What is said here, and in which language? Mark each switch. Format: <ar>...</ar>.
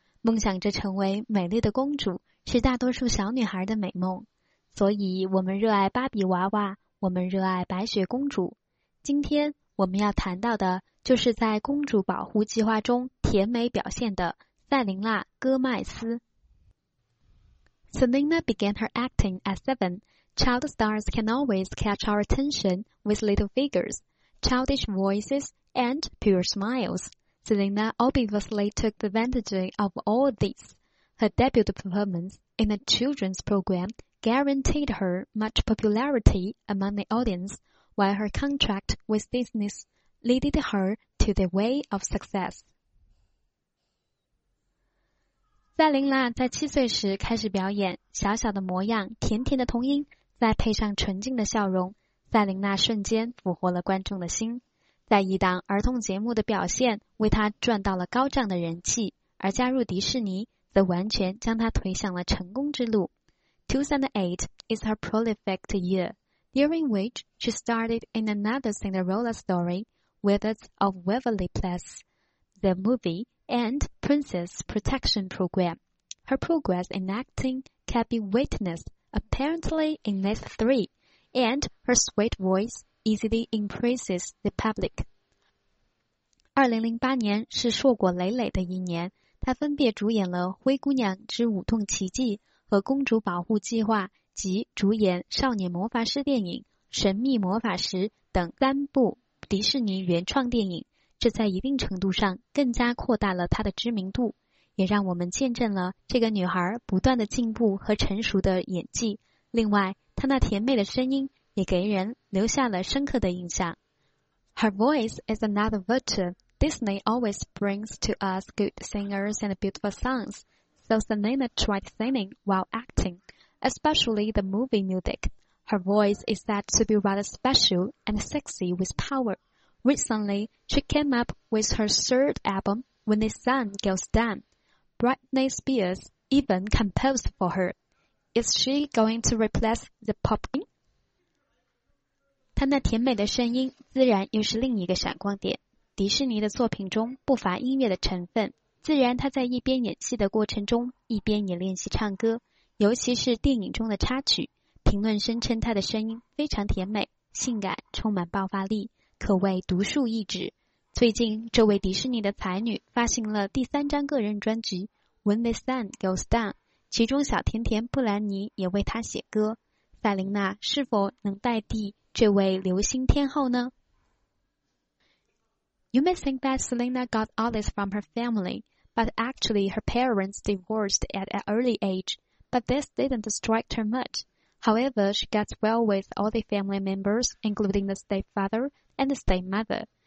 <zh>梦想着成为美丽的公主是大多数小女孩的美梦，所以我们热爱芭比娃娃，我们热爱白雪公主。今天我们要谈到的就是在公主保护计划中甜美表现的塞琳娜·戈麦斯。</zh> <en>Selena began her acting at 7. Child stars can always catch our attention with little figures, childish voices and pure smilesSelena obviously took advantage of all this. Her debut performance in a children's program guaranteed her much popularity among the audience, while her contract with Disney led her to the way of success.</en> <zh>塞琳娜在七岁时开始表演，小小的模样，甜甜的童音，再配上纯净的笑容，塞琳娜瞬间俘获了观众的心。在一档儿童节目的表现为他赚到了高涨的人气，而加入迪士尼则完全将他推向了成功之路。</zh> <en>2008 is her prolific year, during which she started in another Cinderella story, Wizards of Waverly Place, the movie, and Princess Protection Program. Her progress in acting can be witnessed apparently in this three, and her sweet voiceEasily impresses the public.</en> <zh>2008年是硕果累累的一年，她分别主演了《灰姑娘之舞动奇迹》和《公主保护计划》及主演《少年魔法师》电影《神秘魔法师》等三部迪士尼原创电影，这在一定程度上更加扩大了她的知名度，也让我们见证了这个女孩不断的进步和成熟的演技。另外，她那甜美的声音也给人留下了深刻的印象。</zh> <en>Her voice is another virtue. Disney always brings to us good singers and beautiful songs, so Selena tried singing while acting, especially the movie music. Her voice is said to be rather special and sexy with power. Recently, she came up with her third album, When the Sun Goes Down. Britney Spears even composed for her. Is she going to replace the pop queen?</en> <zh>她那甜美的声音自然又是另一个闪光点。迪士尼的作品中不乏音乐的成分，自然她在一边演戏的过程中一边也练习唱歌，尤其是电影中的插曲，评论声称她的声音非常甜美性感，充满爆发力，可谓独树一帜。最近这位迪士尼的才女发行了第三张个人专辑 When the Sun Goes Down, 其中小甜甜布兰妮也为她写歌。塞琳娜是否能代替这位流星天后呢？</zh> <en>You may think that Selena got all this from her family, but actually her parents divorced at an early age, but this didn't strike her much. However, she gets well with all the family members, including the stepfather and the stepmother.</en>